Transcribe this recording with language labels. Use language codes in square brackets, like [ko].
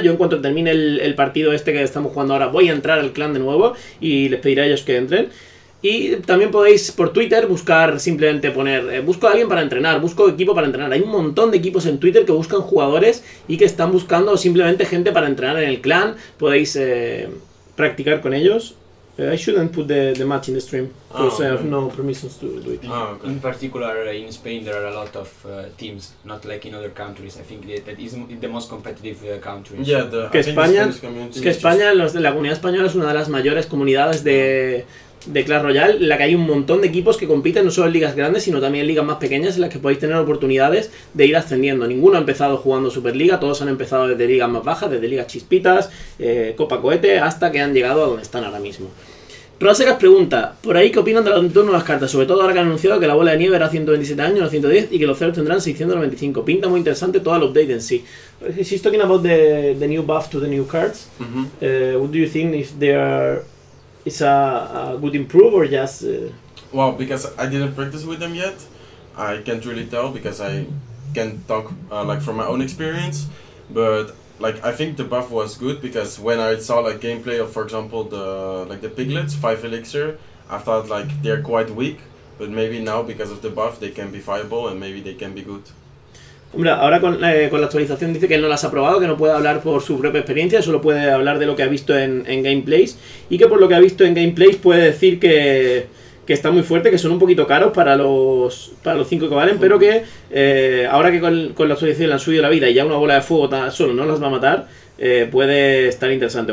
[es] Yo en cuanto termine el partido este que estamos jugando ahora, voy a entrar al clan de nuevo y les pediré a ellos que entren. Y también podéis por Twitter buscar, simplemente poner, busco a alguien para entrenar, busco equipo para entrenar. Hay un montón de equipos en Twitter que buscan jugadores y que están buscando simplemente gente para entrenar en el clan. Podéis practicar con ellos. [en] I shouldn't put the match in the stream, because oh, okay. I have no permissions to do it. Oh, okay. In particular, in Spain there are a lot of teams, not like in other countries. I think that is the most competitive country. Yeah, [es] la comunidad española es una de las mayores comunidades de Clash Royale, en la que hay un montón de equipos que compiten no solo en ligas grandes, sino también en ligas más pequeñas, en las que podéis tener oportunidades de ir ascendiendo. Ninguno ha empezado jugando Superliga, todos han empezado desde ligas más bajas, desde ligas chispitas, Copa Cohete, hasta que han llegado a donde están ahora mismo. Rosegas pregunta, por ahí, ¿qué opinan de los turnos de las cartas? Sobre todo ahora que han anunciado que la bola de nieve era 127 años, no 110, y que los ceros tendrán 695. Pinta muy interesante todo el update en sí. [en] She's talking about the new buff to the new cards. Mm-hmm. What do you think if they are... It's a good improve or just... Well, because I didn't practice with them yet, I can't really tell because I can't talk like from my own experience. But like I think the buff was good because when I saw like gameplay of, for example, the piglets, 5 elixir, I thought like they're quite weak. but maybe now because of the buff they can be viable and maybe they can be good. [es] Hombre, ahora con la actualización dice que él no las ha probado, que no puede hablar por su propia experiencia, solo puede hablar de lo que ha visto en gameplays, y que por lo que ha visto en gameplays puede decir que está muy fuerte, que son un poquito caros para los 5 que valen, pero que ahora que con la actualización le han subido la vida y ya una bola de fuego solo no las va a matar, puede estar interesante.